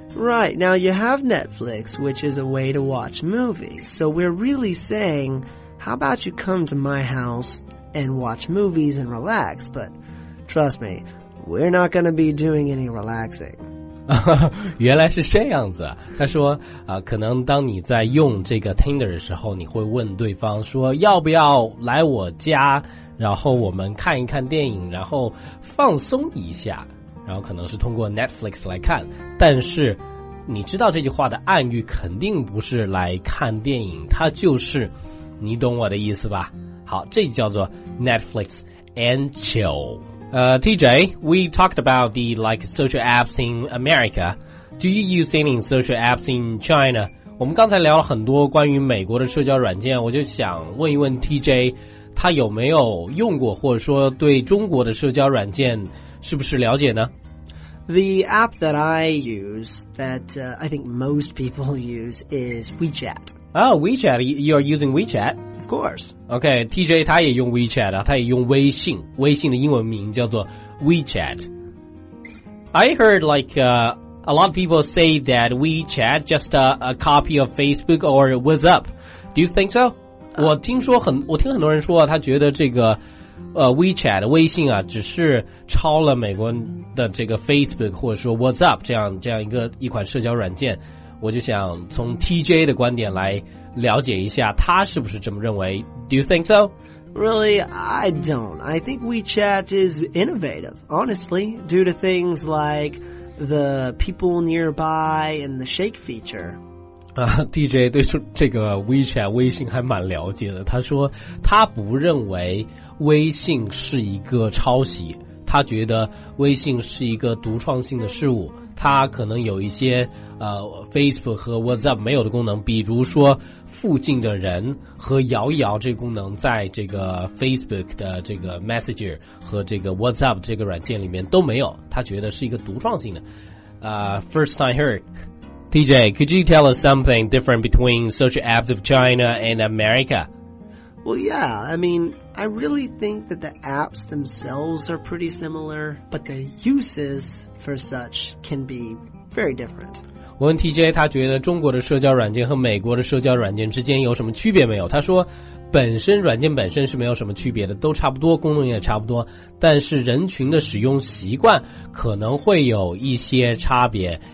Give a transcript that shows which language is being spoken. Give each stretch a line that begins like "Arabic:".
English: Right, now you have Netflix, which is a way to watch movies. So we're really saying, how about you come to my house and watch movies and relax? But trust me, we're not going to be doing any relaxing.
Chinese: 原来是这样子啊。他说啊，可能当你在用这个 Tinder 的时候，你会问对方说，要不要来我家，然后我们看一看电影，然后放松一下。然后可能是通过 Netflix 来看，但是你知道这句话的暗喻肯定不是来看电影，它就是，你懂我的意思吧？好，这叫做
English: Netflix and chill。 TJ, we talked about the like social apps in America. Do you use any social apps in China?
Chinese: 我们刚才聊了很多关于美国的社交软件，我就想问一问 TJ，他有没有用过或者说对中国的社交软件是不是了解呢？
English: The app that I use that I think most people use is WeChat. Oh, WeChat, you're using WeChat? Of course.
Chinese: Okay, TJ 他也用 WeChat 啊，他也用微信，微信的英文名叫做 WeChat.
English: I heard like a lot of people say that WeChat just a copy of Facebook or WhatsApp. Do you think so?
Chinese: 我听很多人说他觉得这个WeChat 微信啊只是抄了美国的这个 Facebook 或者说 WhatsApp 这样一款社交软件。我就想从 TJ 的观点来了解一下他是不是这么认为。
English: Do you think so? Really, I don't. I think WeChat is innovative, honestly, due to things like the people nearby and the shake feature.
Chinese: DJ 对这个 WeChat 微信还蛮了解的，他说他不认为微信是一个抄袭，他觉得微信是一个独创性的事物，他可能有一些Facebook 和 WhatsApp 没有的功能，比如说附近的人和摇一摇这个功能在这个 Facebook 的这个 Messenger 和这个 WhatsApp 这个软件里面都没有，他觉得是一个独创性的。
English: First time heard. TJ, could you tell us something different between social apps of China and America? Well, yeah, I mean, I really think that the apps themselves are pretty similar, but the uses for such can be very different.
Chinese: 我问 TJ, 他觉得中国的社交软件和美国的社交软件之间有什么区别没有？他说本身软件本身是没有什么区别的，都差不多，功能也差不多，但是人群的使用习惯可能会有一些差别。